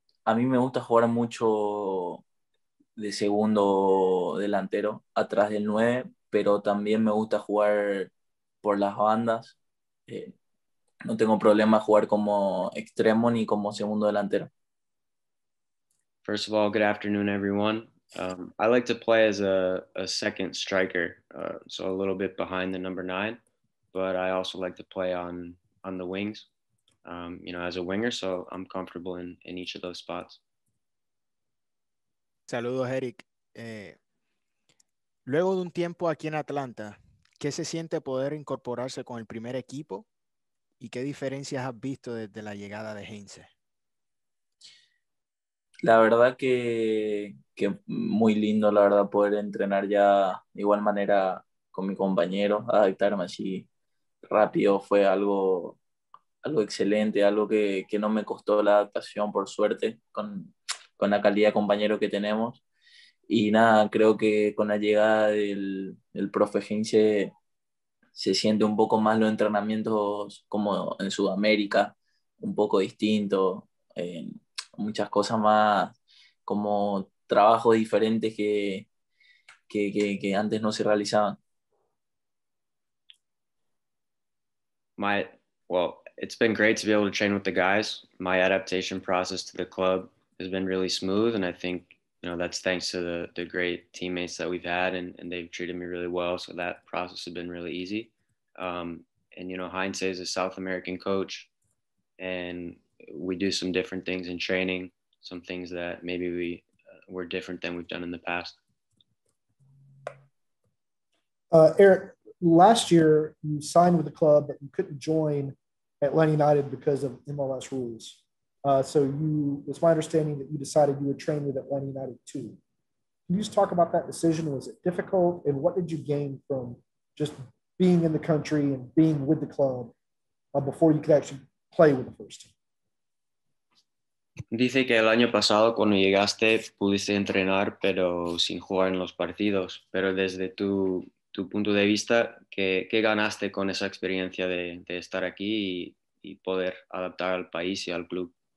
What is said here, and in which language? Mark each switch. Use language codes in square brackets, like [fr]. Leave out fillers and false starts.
[es] a mí me gusta jugar mucho de segundo delantero, atrás del 9, pero también me gusta jugar por las bandas. No tengo problema jugar como extremo ni como segundo delantero. [en] First of all, good afternoon, everyone. I like to play as a second striker, so a little bit behind the number 9, but I also like to play on the wings, you know, as a winger, so I'm comfortable in each of those spots. [es] Saludos, Eric. Luego de un tiempo aquí en Atlanta, ¿qué se siente poder incorporarse con el primer equipo y qué diferencias has visto desde la llegada de Heinze? La verdad que muy lindo, la verdad, poder entrenar ya de igual manera con mi compañero, adaptarme así rápido. Fue algo excelente, algo que no me costó la adaptación, por suerte, con la calidad de compañero que tenemos. Y nada, creo que con la llegada del profe Heinze se siente un poco más los entrenamientos como en Sudamérica, un poco distinto, muchas cosas más, como trabajos diferentes que antes no se realizaban. [en] It's been great to be able to train with the guys. My adaptation process to the club has been really smooth, and I think, you know, that's thanks to the great teammates that we've had, and they've treated me really well, so that process has been really easy. And, you know, Heinze is a South American coach, and we do some different things in training, some things that maybe we were different than we've done in the past. Eric, last year you signed with the club, but you couldn't join Atlanta United because of MLS rules. It's my understanding that you decided you would train with Atlanta United too. Can you just talk about that decision? Was it difficult? And what did you gain from just being in the country and being with the club before you could actually play with the first team? [es] Dice que el año pasado cuando llegaste pudiste entrenar pero sin jugar en los partidos, pero desde tu punto de vista, ¿qué ganaste con esa experiencia de estar aquí y poder adaptar al país y al club?